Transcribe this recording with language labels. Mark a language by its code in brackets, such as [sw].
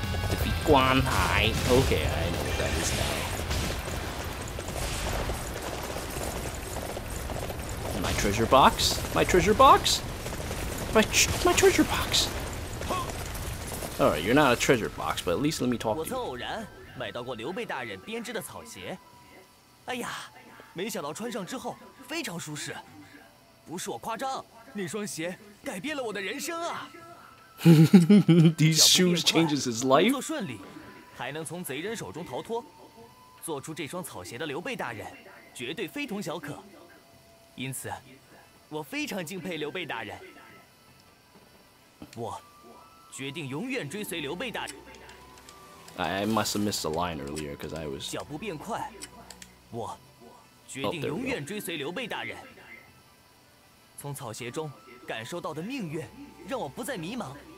[en] Defeat Guan Hai. Okay, I know what that is now. My treasure box? My treasure box? My treasure box! Alright, you're not a treasure box, but at least let me talk to you. [zh] 买到过刘备大人编织的草鞋。哎呀, 没想到穿上之后, 非常舒适。不是我夸张, 那双鞋, 改变了我的人生啊。 [en] These shoes changes his life? [zh] 工作顺利, 还能从贼人手中逃脱。做出这双草鞋的刘备大人, 绝对非同小可。因此, 我非常敬佩刘备大人。我, 决定永远追随刘备大人。 [en] I must have missed a line earlier because I was. [zh] 脚步变快, 我, 决定永远追随刘备大人。从草鞋中, 感受到的命运, 让我不再迷茫。